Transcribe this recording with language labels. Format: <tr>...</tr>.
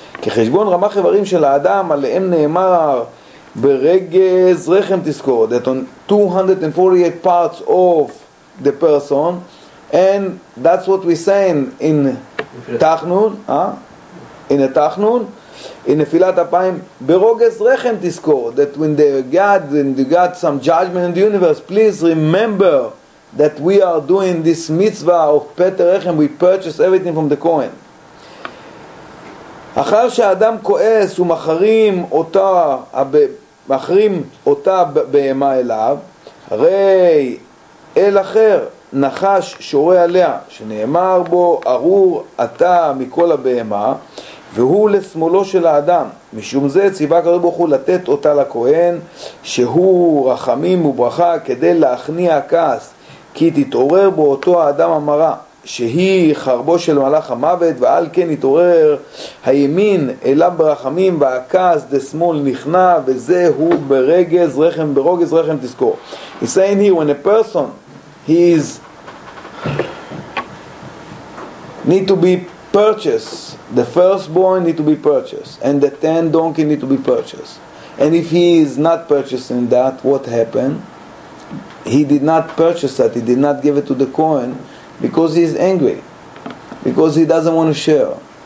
<he>כחשבון רמח איברים של האדם, עליהם נאמר ברגז רחם תזכור,</he> <en>that on 248 parts of the person, and that's what we say in Tachnun, in a Tachnun, in Nefilat Apayim, Berogez Rechem Tiskor, that when the God, when you got some judgment in the universe, please remember that we are doing this mitzvah of Peter Rechem, we purchase everything from the Kohen.</en> <he>אחר שהאדם כועס ומחרים אותה, מחרים אותה בהמה אליו, הרי אל אחר נחש שורה עליה, שנאמר בו ארור אתה מכל הבהמה, והוא לשמאלו של האדם. משום זה ציווה הקדוש ברוך הוא לתת אותה לכהן, שהוא רחמים וברכה, כדי להכניע כעס, כי תתעורר בו אותו האדם המרה, שהיא חרבו של מלאך המוות, ועל כן התעורר הימין אליו ברחמים, והכעס דשמאל נכנע, וזהו ברגז רחם, ברוגז רחם תזכור.</he> <en>He's saying here, when a person, he is, need to be purchase, the firstborn need to be purchased, and the 10 donkey need to be purchased. And if he is not purchasing that, what happened? He did not purchase that, he did not give it to the Kohen, because he is angry, because he doesn't want to share.</en>